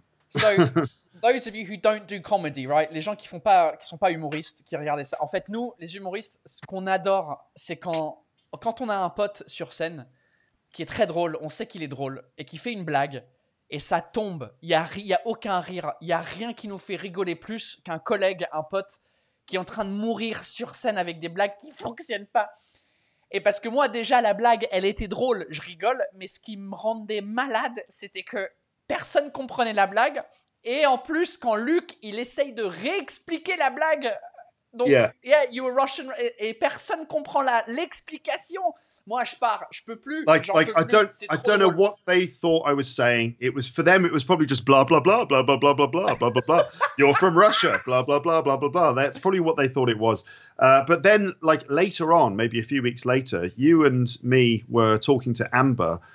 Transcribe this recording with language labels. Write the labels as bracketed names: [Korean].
[English] So those of you who don't do comedy, right? [French] Les gens qui sont pas humoristes, qui regardent ça. En fait, nous, les humoristes, ce qu'on adore, c'est quand on a un pote sur scène qui est très drôle, on sait qu'il est drôle et qui fait une blague. Et ça tombe, il y a aucun rire, il y a rien qui nous fait rigoler plus qu'un collègue, un pote qui est en train de mourir sur scène avec des blagues qui fonctionnent pas. Et parce que moi déjà la blague, elle était drôle, je rigole, mais ce qui me rendait malade, c'était que personne comprenait la blague. Et en plus quand Luc, il essaye de réexpliquer la blague, donc [English] yeah you're Russian [French] et personne comprend l'explication. Moi, je pars. Je peux plus. [English] Like I don't know what they thought I was saying. It was for them. It was probably just blah blah blah blah blah blah blah blah blah blah. You're from Russia. Blah blah blah blah blah blah. That's probably what they thought it was. But then, like later on, maybe a few weeks later, you and me were talking to Amber